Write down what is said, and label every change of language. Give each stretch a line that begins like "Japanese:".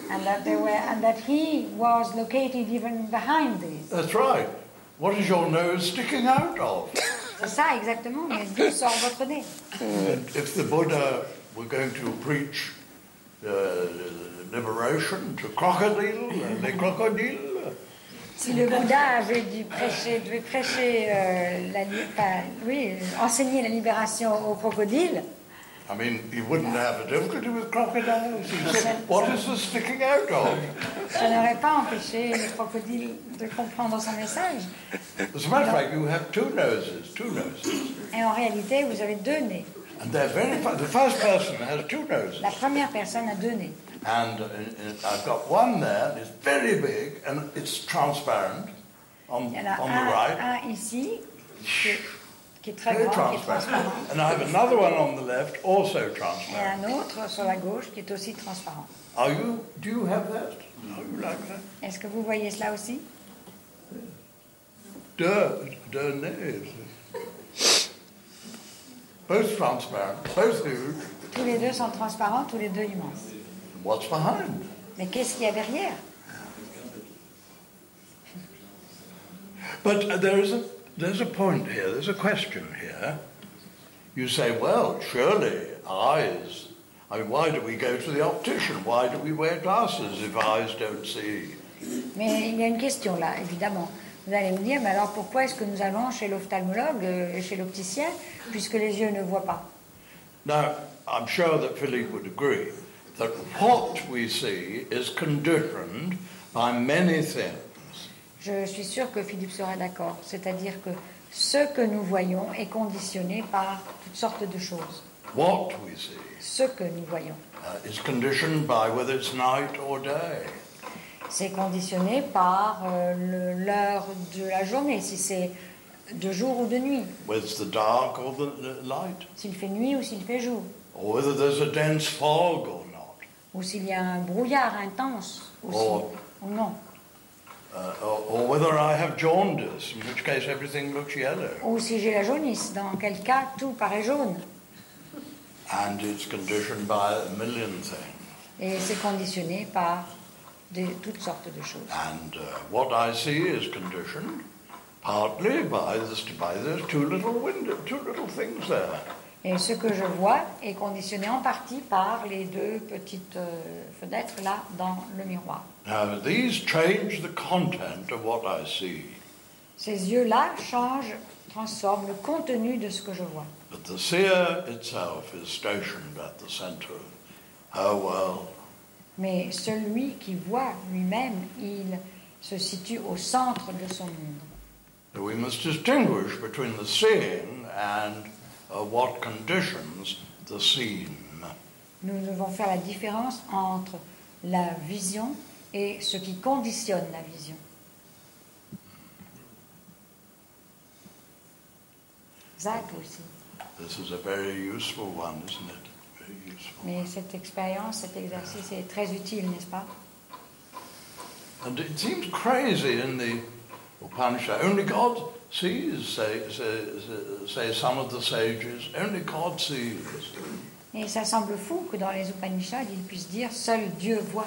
English: And that they were, and that he was located even behind these. That's right. What is your nose sticking out of?
French: C'est ça, exactement. Mais d'où sort votre nez?
English: If the Buddha were going to preach liberation to crocodiles and the crocodile.
French: Si le Bouddha enseigner la libération aux crocodiles.
English: I mean, he wouldn't have a difficulty with crocodiles. He said, what is this sticking out of?
French: Ça n'aurait pas empêché les crocodiles de comprendre son message.
English: As a matter of fact, you have two noses.
French: Et en réalité, vous avez deux nez.
English: And they're very funny. The first person has two noses.
French: La première personne a deux nez.
English: And I've got one there, and it's very big, and it's transparent on the right.
French: Un ici, qui est très grand, transparent.
English: And I have another one on the left, also transparent.
French: Et un autre sur la gauche, qui est aussi transparent.
English: Do you have that? Are you like that?
French: Est-ce que vous voyez cela aussi? Deux nez.
English: Both transparent, both huge.
French: Tous les deux sont transparents, tous les deux immenses.
English: What's behind?
French: Mais qu'est-ce qu'il y a derrière?
English: But there's a point here, there's a question here. You say, well, surely eyes. I mean, why do we go to the optician? Why do we wear glasses if eyes don't see?
French: Mais il y a une question là, évidemment. Vous allez me dire, mais alors pourquoi est-ce que nous allons chez l'ophtalmologue et chez l'opticien puisque les yeux ne voient pas?
English: Now, I'm sure that Philippe would agree. That what we see is conditioned by many things.
French: Je suis sûr que Philippe sera d'accord. C'est-à-dire que ce que nous voyons est conditionné par toutes sortes de choses.
English: What we see.
French: Ce que nous voyons.
English: Is conditioned by whether it's night or day.
French: C'est conditionné par l'heure de la journée, si c'est de jour ou de nuit.
English: Whether it's the dark or the light.
French: S'il fait nuit ou s'il fait jour.
English: Or whether there's a dense fog or
French: ou s'il y a un brouillard intense ou non.
English: Or whether I have jaundice, in which case everything looks yellow.
French: Ou si j'ai la jaunisse, dans quel cas tout paraît jaune.
English: And it's conditioned by a million things.
French: Et c'est conditionné par toutes sortes de choses.
English: And what I see is conditioned partly by those two little things there.
French: Et ce que je vois est conditionné en partie par les deux petites fenêtres là dans le miroir.
English: Now, these change the content of what I see.
French: Ces yeux-là changent, transforment le contenu de ce que je vois.
English: But the seer itself is stationed at the center of her world.
French: Mais celui qui voit lui-même, il se situe au centre de son monde.
English: So we must distinguish between the seeing and what conditions the scene.
French: Nous devons faire la différence entre la vision et ce qui conditionne la vision. Zach aussi.
English: This is a very useful one, isn't it? Very useful.
French: Mais cette expérience, cet exercice est très utile, n'est-ce pas?
English: And it seems crazy in the Upanishad. Only God sees, say some of the sages. Only God sees.
French: Et ça semble fou que dans les Upanishads, ils puissent dire seul Dieu voit.